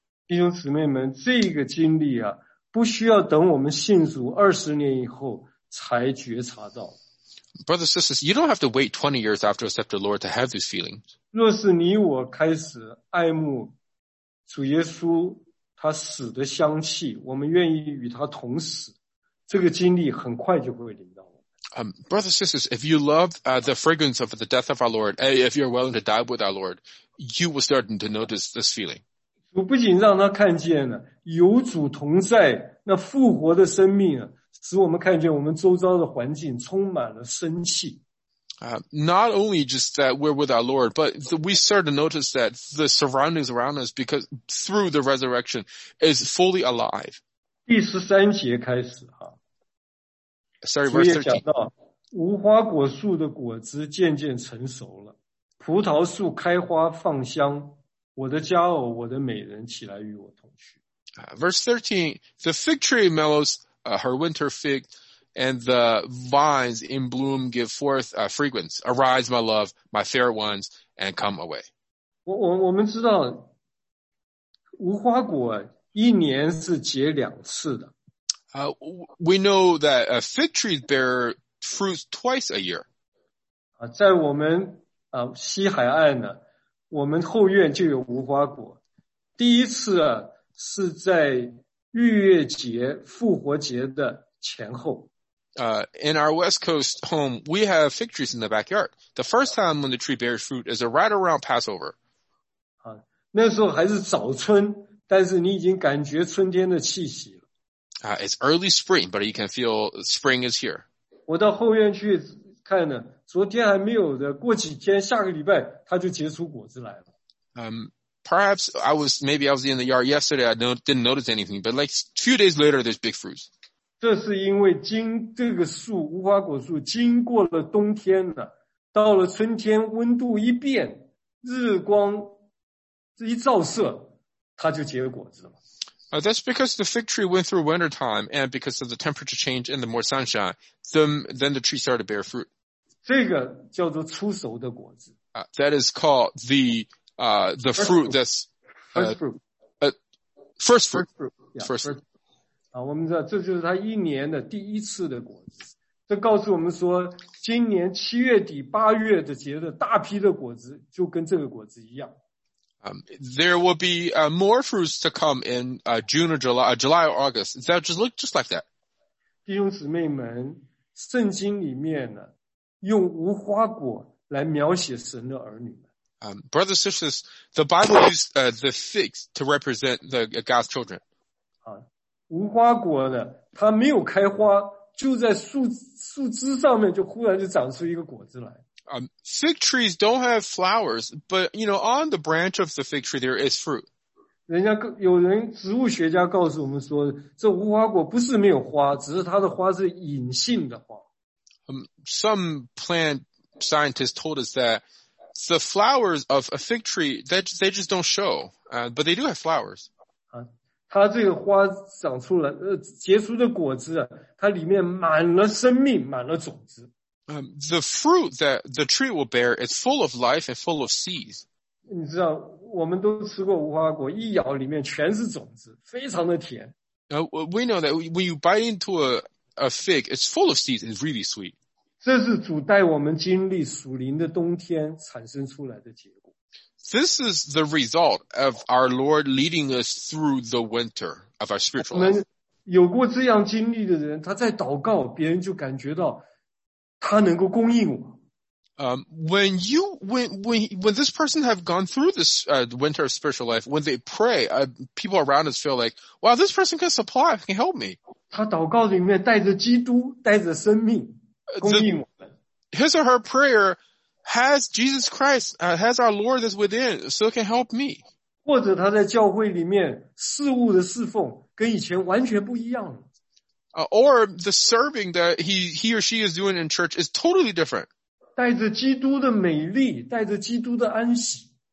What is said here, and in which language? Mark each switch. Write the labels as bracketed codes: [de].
[zh] 弟兄姊妹们，这个经历啊，不需要等我们信主20年以后才觉察到。 [en] Brothers and sisters, you don't have to wait 20 years after you accept the Lord to have these feelings. [zh] 若是你我开始爱慕主耶稣他死的香气，我们愿意与他同死，这个经历很快就会临到我们。 [en] Brothers and sisters, if you love, the fragrance of the death of our Lord, if you're willing to die with our Lord, you will start to notice this feeling. [zh] 主不仅让他看见了有主同在那复活的生命啊，使我们看见我们周遭的环境充满了生气。 [en] Not only just that we're with our Lord, but we start to notice that the surroundings around us, because through the resurrection, is fully alive. [zh] 第十三节开始啊。 [en] Sorry, verse 13. [zh] 讲到无花果树的果子渐渐成熟了，葡萄树开花放香，我的佳偶，我的美人起来与我同去。 [en] Verse 13, the fig tree mellows, her winter fig. And the vines in bloom give forth fragrance. Arise, my love, my fair ones, and come away. [zh] 我们知道无花果一年是结两次的。 [en] We know that fig trees bear fruits twice a year. [zh] 在我们西海岸呢，我们后院就有无花果。第一次啊，是在逾越节、复活节的前后。 [en] In our West Coast home, we have fig trees in the backyard. The first time when the tree bears fruit is right around Passover. [zh] 那时候还是早春，但是你已经感觉春天的气息了。 [en] It's early spring, but you can feel spring is here. [zh] 我到后院去看呢，昨天还没有的，过几天，下个礼拜，它就结出果子来了。 [en] Perhaps I was in the yard yesterday, didn't notice anything, but like a few days later, there's big fruits. [zh] 这是因为这个树无花果树经过了冬天了，到了春天温度一变，日光这一照射，它就结果子了。 [en] That's because the fig tree went through winter time, and because of the temperature change and the more sunshine, then the tree started to bear fruit. [zh] 这个叫做出熟的果子。 [en] That is called the fruit that's first fruit. [zh] 我们知道这就是他一年的第一次的果子，这告诉我们说今年七月底八月的结的大批的果子就跟这个果子一样。 [en] There will be more fruits to come in June or July, July or August. That just look just like that. [zh] 弟兄姊妹们，圣经里面呢用无花果来描写神的儿女们。 [en] Brothers and sisters, the Bible used the figs to represent the God's children. [zh] 无花果的它没有开花，就在树枝上面就忽然就长出一个果子来。 [en] Fig trees don't have flowers, but, you know, on the branch of the fig tree, there is fruit. [zh] 有人植物学家告诉我们说这无花果不是没有花，只是它的花是隐性的花。 [en] Some plant scientists told us that the flowers of a fig tree, that they just don't show, but they do have flowers. [zh] 它这个花长出来结出的果子啊，它里面满了生命，满了种子。 [en] The fruit that the tree will bear is full of life and full of seeds. [zh] 你知道我们都吃过无花果，一咬里面全是种子，非常的甜。 [en] We know that when you bite into a fig, it's full of seeds, it's really sweet. [zh] 这是主带我们经历属灵的冬天产生出来的结果。 [en] This is the result of our Lord leading us through the winter of our spiritual life. [zh] 有过这样经历的人，他在祷告，别人就感觉到他能够供应我。 [en] When this person have gone through this winter of spiritual life, when they pray, people around us feel like, wow, this person can supply, can help me. [zh] 他祷告里面带着基督，带着生命供应我们。 [en] His or her prayer.Has Jesus Christ, has our Lord that's within, so it can help me. [zh] 或者他在教会里面事物的侍奉跟以前完全不一样了。 [en] Or the serving that he or she is doing in church is totally different. [zh] 带着基督的美丽，带着基督的安息。